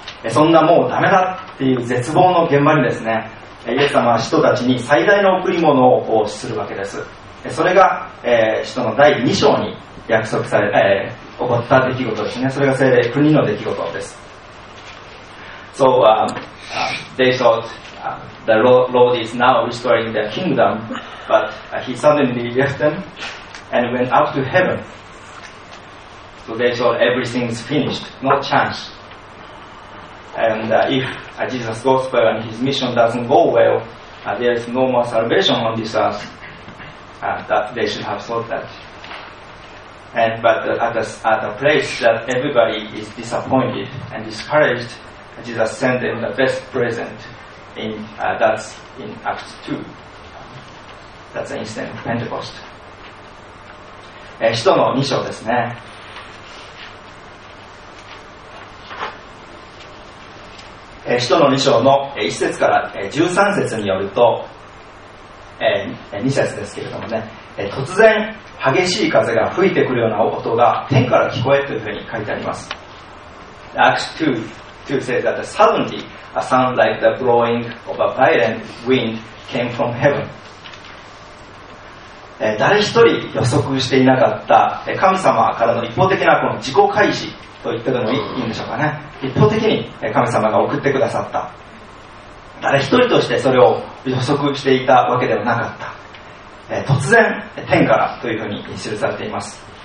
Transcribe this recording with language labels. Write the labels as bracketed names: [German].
[Japanese] そんなもうダメだっていう絶望の現場にですね、イエス様は使徒たちに最大の贈り物をこうするわけです。それが、使徒の第2章に約束され、起こった出来事ですね。それが聖霊国の出来事です。 [English] So they thoughtThe Lord is now restoring their kingdom, but he suddenly left them and went up to heaven. So they thought everything's finished, no chance. And if Jesus' gospel and his mission doesn't go well, there is no more salvation on this earth. That they should have thought that. And, but at a place that everybody is disappointed and discouraged, Jesus sent them the best present. That's in Acts 2. That's an instant of Pentecost. [Japanese] 使徒の2章ですね。使徒の2章の1節から13節によると、2節ですけれどもね、突然激しい風が吹いてくるような音が天から聞こえというふうに書いてあります。 [English] Acts 2 says that suddenly a sound like the blowing of a violent wind came from heaven. [Japanese] 誰一人予測していなかった神様からの一方的なこの自己開示と言ってでもいいんでしょうかね。一方的に神様が送ってくださった、誰一人としてそれを予測していたわけではなかった、突然天からというふうに記されています。